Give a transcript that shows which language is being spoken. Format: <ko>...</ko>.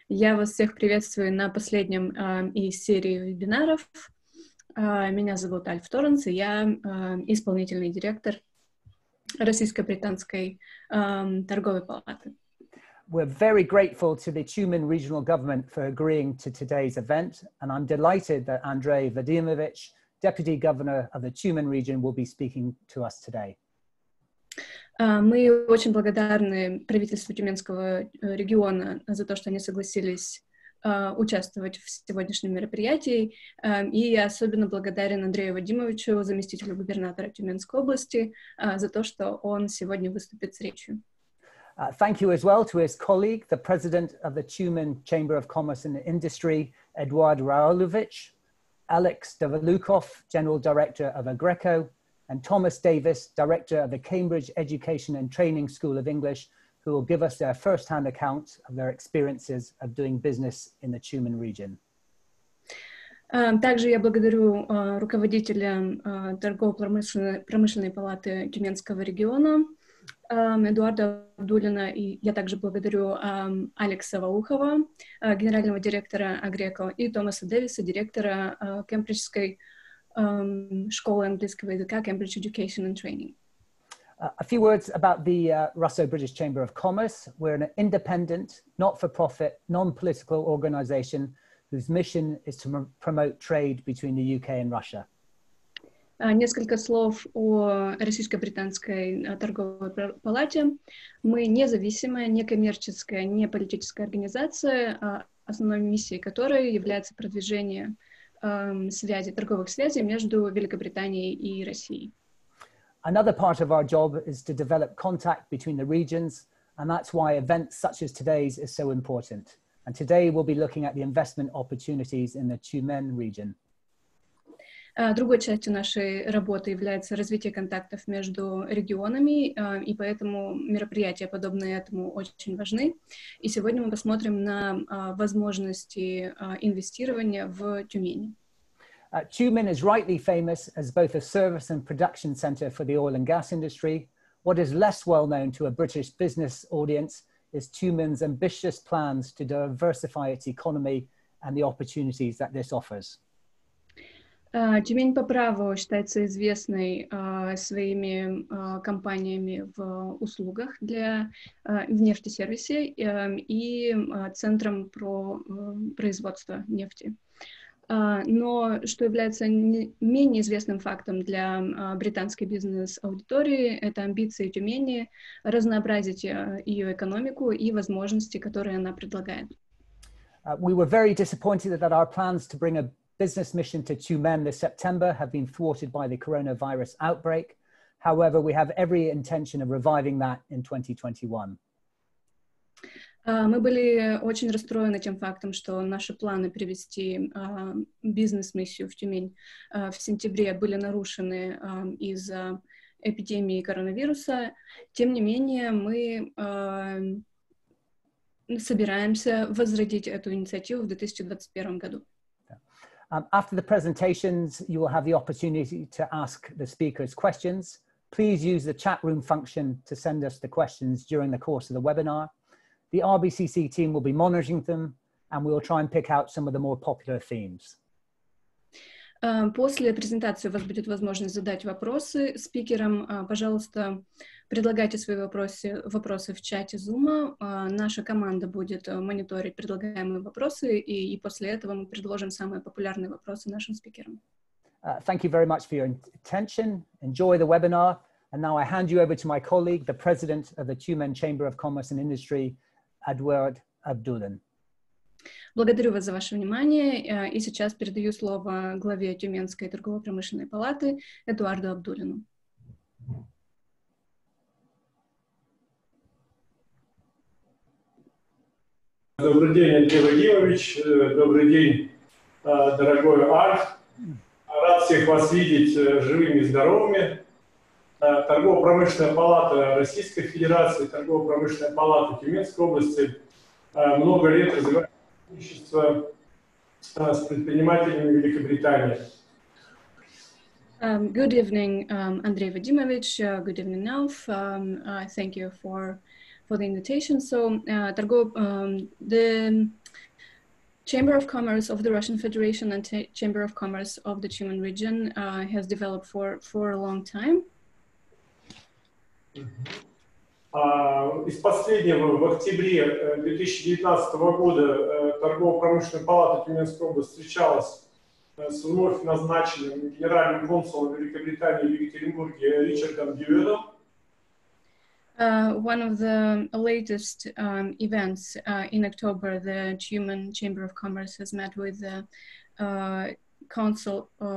<ru>Я вас всех приветствую на последнем из серии вебинаров. Меня зовут Альф Торренс, и я исполнительный директор Российско-Британской торговой палаты.</ru> <en>We're very grateful to the Tumen Regional Government for agreeing to today's event, and I'm delighted that Andrei Vadimovich, Deputy Governor of the Tumen Region, will be speaking to us today.</en> <ru>Мы очень благодарны правительству Тюменского региона за то, что они согласились участвовать в сегодняшнем мероприятии. И я особенно благодарен Андрею Вадимовичу, заместителю губернатора Тюменской области, за то, что он сегодня выступит с речью.</ru> <en>Thank you as well to his colleague, the president of the Tumen Chamber of Commerce and Industry, Eduard Raulovich, Alex Davalukov, general director of Agreco, and Thomas Davis, director of the Cambridge Education and Training School of English, who will give us their first-hand accounts of their experiences of doing business in the Tumen region.</en> <ru>Также я благодарю руководителя торгово-промышленной палаты Тюменского региона, Эдуарда Абдулина, и я также благодарю Алекса Ваухова, генерального директора Агреко, и Томаса Дэвиса, директора Кембриджской школы английского языка, Cambridge Education and Training.</ru> <en>A few words about the Russo-British Chamber of Commerce. We're an independent, not-for-profit, non-political organization whose mission is to promote trade between the UK and Russia.</en> <ru>Несколько слов о Российско-Британской торговой палате. Мы независимая, некоммерческая, неполитическая организация, основной миссией которой является продвижение связи, торговых связей между Великобританией и Россией.</ru> <en>Another part of our job is to develop contact between the regions, and that's why events such as today's is so important. And today we'll be looking at the investment opportunities in the Tumen region.</en> <ru>Другой частью нашей работы является развитие контактов между регионами, и поэтому мероприятия, подобные этому, очень важны. И сегодня мы посмотрим на возможности инвестирования в Тюмени.</ru> <en>Tumen is rightly famous as both a service and production center for the oil and gas industry. What is less well known to a British business audience is Tumen's ambitious plans to diversify its economy and the opportunities that this offers.</en> <ru>Тюмень по праву считается известной своими компаниями в услугах для в нефтесервисе и центром производства нефти. Но что является менее известным фактом для британской бизнес-аудитории, это амбиции Тюмени разнообразить ее экономику и возможности, которые она предлагает.</ru> <en>We were very disappointed that our plans to bring a business mission to Tumen this September have been thwarted by the coronavirus outbreak. However, we have every intention of reviving that in 2021.</en> <ru>Мы были очень расстроены тем фактом, что наши планы привести бизнес-миссию в Тюмень в сентябре были нарушены из-за эпидемии коронавируса. Тем не менее, мы собираемся возродить эту инициативу в 2021 году.</ru> <en>After the presentations, you will have the opportunity to ask the speakers questions. Please use the chat room function to send us the questions during the course of the webinar. The RBCC team will be monitoring them, and we will try and pick out some of the more popular themes.</en> <ru>После презентации у вас будет возможность задать вопросы спикерам. Пожалуйста, предлагайте свои вопросы в чате Zoom. Наша команда будет мониторить предлагаемые вопросы, и после этого мы предложим самые популярные вопросы нашим спикерам.</ru> <en>Thank you very much for your attention. Enjoy the webinar. And now I hand you over to my colleague, the president of the Tumen Chamber of Commerce and Industry, Eduard Abdulin.</en> <ru>Благодарю вас за ваше внимание, и сейчас передаю слово главе Тюменской торгово-промышленной палаты Эдуарду Абдулину. Добрый день, Андрей Вадимович, добрый день, дорогой Арт. Рад всех вас видеть живыми и здоровыми. Торгово-промышленная палата Российской Федерации, торгово-промышленная палата Тюменской области много лет развивается с предпринимателями Великобритании.</ru> <en>Good evening, Andrei Vadimovich. Good evening, Alf. Thank you for the invitation. So, the Chamber of Commerce of the Russian Federation and Chamber of Commerce of the Tumen region has developed for a long time.</en> <ru>Из последнего, в октябре 2019 года Торгово-промышленная палата Тюменской области встречалась с вновь назначенным генеральным консулом Великобритании в Екатеринбурге Ричардом Дьюэном.</ru> <en>One of the latest events in October, the Tumen Chamber of Commerce has met with the consul.</en>